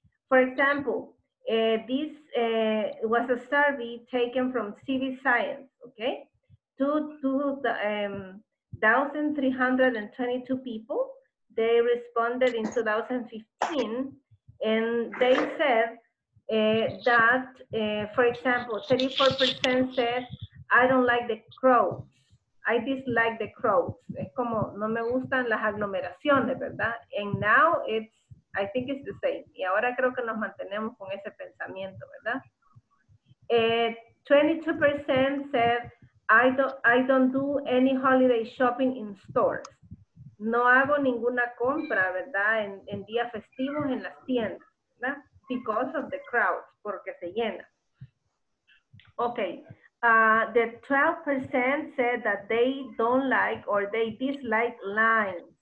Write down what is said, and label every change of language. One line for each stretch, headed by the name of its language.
English: For example, this was a survey taken from CV Science, okay, to 1,322 people. They responded in 2015, and they said that, for example, 34% said, I don't like the crowds. I dislike the crowds.
Spanish: Es como, no me gustan las aglomeraciones, ¿verdad?
English: And now it's, I think it's the same.
Spanish: Y ahora creo que nos mantenemos con ese pensamiento, ¿verdad? 22% said,
English: I don't do any holiday shopping in stores.
Spanish: No hago ninguna compra, ¿verdad? En días festivos en las tiendas, ¿verdad?
English: Because of the crowds,
Spanish: porque se llena.
English: Okay. The 12% said that they don't like or they dislike lines.